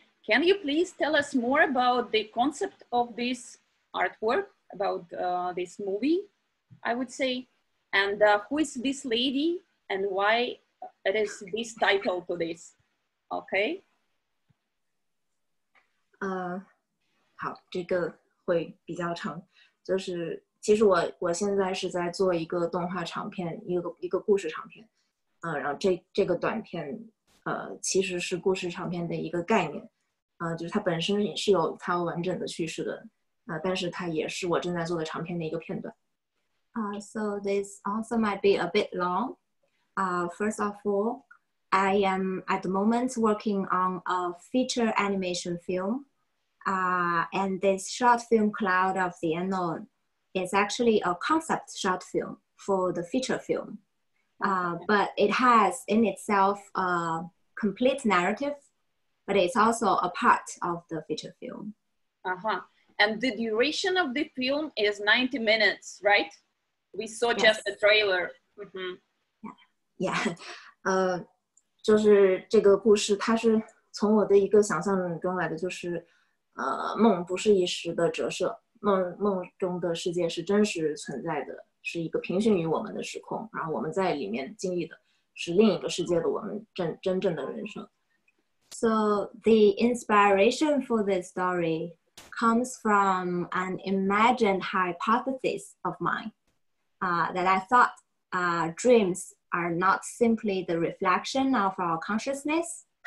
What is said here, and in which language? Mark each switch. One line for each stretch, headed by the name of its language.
English: Can you please tell us more about the concept of this artwork, about this movie, I would say? And who is this lady and why it is this title to this? Okay.
Chinese: 好，这个会比较长，就是其实我现在是在做一个动画长片，一个故事长片，然后这个短片，其实是故事长片的一个概念，就是它本身是有它完整的叙事的，但是它也是我正在做的长片的一个片段。
English: So this answer might be a bit long. First of all. I am at the moment working on a feature animation film, and this short film Cloud of the Unknown is actually a concept short film for the feature film, but it has in itself a complete narrative, but it's also a part of the feature film. Uh-huh. And the duration of the film is 90 minutes, right? We saw yes. just the trailer. Mm-hmm. Yeah.
Chinese: 就是这个故事它是从我的一个想象中来的，就是梦不是一时的折射，梦中的世界是真实存在的，是一个平行于我们的时空，然后我们在里面经历的是另一个世界的我们真正的人生。
English: So the inspiration for this story comes from an imagined hypothesis of mine, that I thought dreamsare not simply the reflection of our consciousness.